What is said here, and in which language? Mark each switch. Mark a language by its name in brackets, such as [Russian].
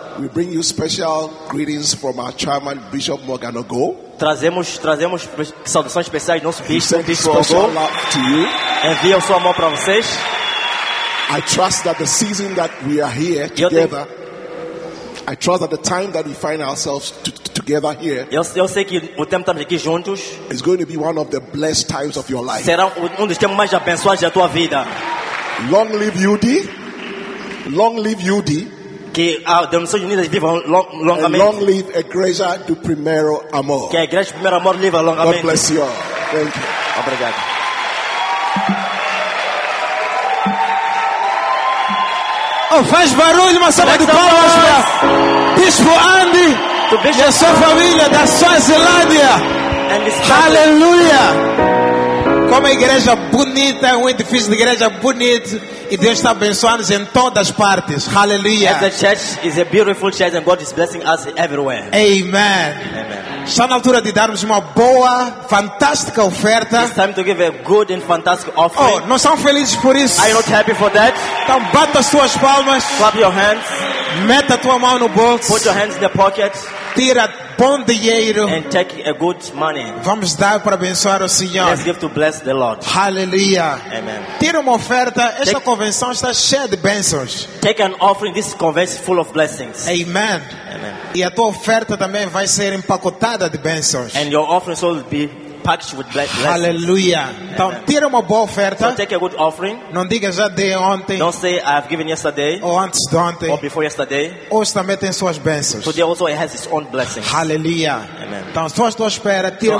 [English] We bring you special greetings from our chairman Bishop Morgan Ogo. [Portuguese] Trazemos saudações especiais nosso bispo Bishop [English] Ogo. To you. [Portuguese] Envia o seu amor para vocês. [English] I trust that the season that we are here together. I trust that the time that we find ourselves together here. [Portuguese] Eu sei que o tempo estamos aqui juntos. [English] It's going to be one of the blessed times of your life. [Portuguese] Será um dos tempos mais abençoados da tua vida. [English] Long live UD. Long live UD. [Portuguese] Que a denominação unida viva longamente. [English] And long live Igreja do Primeiro Amor. [Portuguese] Que a Igreja do Primeiro Amor viva longamente. [English] God bless you all. Thank you. [Portuguese] Obrigado. Oh, faz barulho, uma salva de palmas para Bispo Andy. E a sua família da Suazilândia. Aleluia. Como a igreja bonita, um edifício de igreja bonito. E Deus está abençoando em todas as partes. Aleluia. [English] The church is a beautiful church and God is blessing us everywhere. Amen. Amen. [Portuguese] Está na altura de darmos uma boa, fantástica oferta. [English] It's time to give a good and fantastic offering. [Portuguese] Oh, não são felizes por isso? [English] Are you not happy for that? [Portuguese] Então bata as suas palmas. [English] Clap your hands. [Portuguese] Meta a tua mão no bolso. [English] Put your hands in the pocket. [Portuguese] Tira bom dinheiro. [English] And take a good money. [Portuguese] Vamos dar para abençoar o Senhor. [English] Let's give to bless the Lord. Hallelujah. Amen. [Portuguese] Tira uma oferta. Esta convenção está cheia de bênçãos. [English] Take an offering. This convention is full of blessings. Amen. Amen. [Portuguese] E a tua oferta também vai ser empacotada de bênçãos. [English] And your offering will be packed with blessings. Hallelujah. Então, amen. [Portuguese] Tira uma boa oferta. [English] So take a good offering. [Portuguese] Não diga já dei ontem. [English] Don't say I've given yesterday. [Portuguese] Ou antes de ontem. [English] Or before yesterday. [Portuguese] Hoje também tem suas bênçãos. [English] Today also it has its own blessings. Hallelujah. Amen. [Portuguese] Então, só estou à espera. Tira